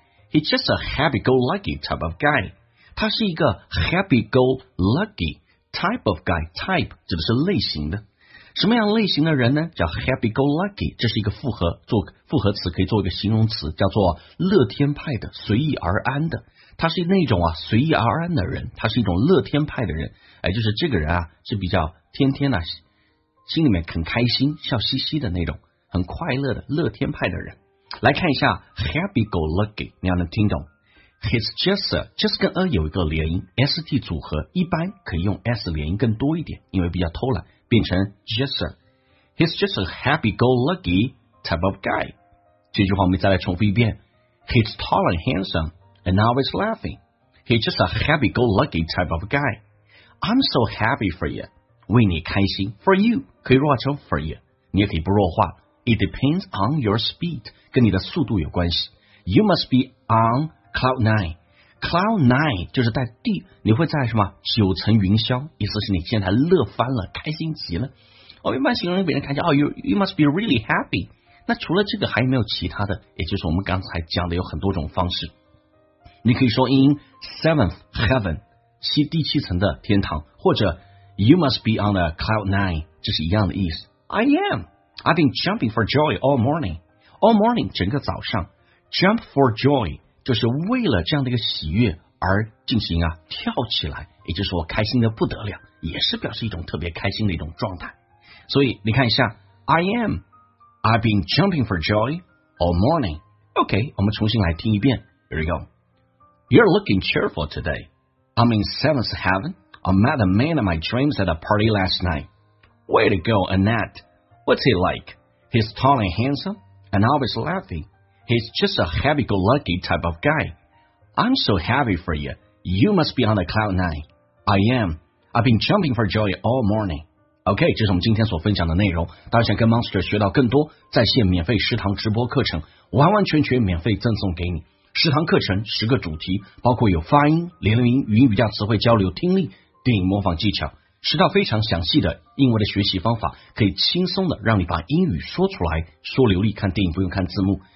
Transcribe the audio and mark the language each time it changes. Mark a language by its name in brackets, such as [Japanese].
[English] He's just a happy-go-lucky type of guy. [Chinese] 他是一个 [English] happy-go-lucky type of guy. [Chinese] Type 指的是类型的，什么样类型的人呢？叫 happy-go-lucky， 这是一个复合，做复合词可以做一个形容词，叫做乐天派的，随意而安的。他是那种啊随意而安的人，他是一种乐天派的人，就是这个人啊是比较天天啊心里面很开心笑嘻嘻的那种很快乐的乐天派的人。来看一下 happy go lucky， 你要能听懂。 [English] He's just 跟 a 有一个连音 ST 组合，一般可以用 S 连音更多一点，因为比较偷懒，变成 just He's just a happy go lucky type of guy. [Chinese] 这句话我们再来重复一遍。 [English] He's tall and handsomeAnd always laughing. He's just a happy-go-lucky type of guy. I'm so happy for you. [Chinese] 为你开心。 [English] For you. [Chinese] 可以弱化成 for you. 你也可以不弱化。 [English] It depends on your speed. [Chinese] 跟你的速度有关系。 [English] You must be on cloud nine. [Chinese] Cloud nine 就是在地，你会在什么九层云霄，意思是你现在乐翻了，开心极了。我一般形容别人看见哦 ， [English] you must be really happy。 [Chinese] 那除了这个还有没有其他的？也就是我们刚才讲的有很多种方式。你可以说 in seventh heaven， 第七层的天堂，或者 [English] you must be on the cloud nine， [Chinese] 这是一样的意思。 [English] I am， I've been jumping for joy all morning， [Chinese] 整个早上 [English] jump for joy。 [Chinese] 就是为了这样的一个喜悦而进行啊跳起来，也就是我开心的不得了，也是表示一种特别开心的一种状态。所以你看一下 [English] I've been jumping for joy all morning. [Chinese] OK， 我们重新来听一遍。 [English] Here we go. You're looking cheerful today. I'm in seventh heaven. I met the man of my dreams at a party last night. Way to go, Annette. What's he like? He's tall and handsome and always laughingHe's just a happy-go-lucky type of guy. I'm so happy for you. You must be on the cloud nine. I am. I've been jumping for joy all morning. [Chinese] OK， 这是我们今天所分享的内容。大家想跟 Monster 学到更多在线免费食堂直播课程，完完全全免费赠送给你。食堂课程十个主题，包括有发音、连音、语音语调、词汇交流、听力、电影模仿技巧，十套非常详细的英文的学习方法，可以轻松的让你把英语说出来，说流利，看电影不用看字幕。